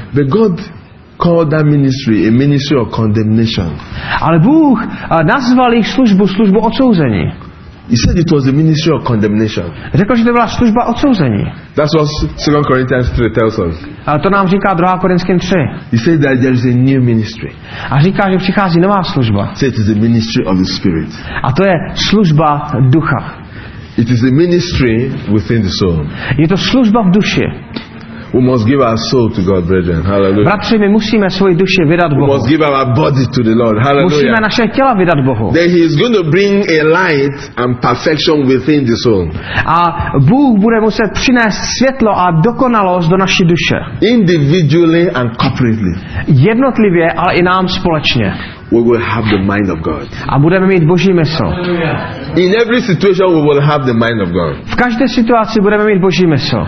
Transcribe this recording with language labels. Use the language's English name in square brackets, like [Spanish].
[English] But God called that ministry a ministry of condemnation. [Czech] Ale Bůh nazval jich službu odsouzení. [English] He said it was a ministry of condemnation. [Czech] Řekl, že to byla služba odsouzení. [English] That's what 2 Corinthians 3 tells us. [Czech] A to nám říká 2 Korinským 3. [English] He said that there is a new ministry. [Czech] A říká, že přichází nová služba. [English] So it is the ministry of the Spirit. [Czech] A to je služba ducha. [English] It is a ministry within the soul. [Czech] Je to služba v duši. [English] We must give our soul to God, brethren. Hallelujah. [Czech] Bratři, my musíme svoji duši vydat Bohu. [English] We must give our body to the Lord. Hallelujah. [Czech] Musíme naše těla vydat Bohu. [English] Then he is going to bring a light and perfection within the soul. [Czech] A Bůh bude muset přinést světlo a dokonalost do naší duše. [English] Individually and corporately. [Czech] Jednotlivě, ale i nám společně. [English] We will have the mind of God. [Czech] A budeme mít Boží mysl. [English] In every situation we will have the mind of God. [Czech] V každé situaci budeme mít Boží mysl.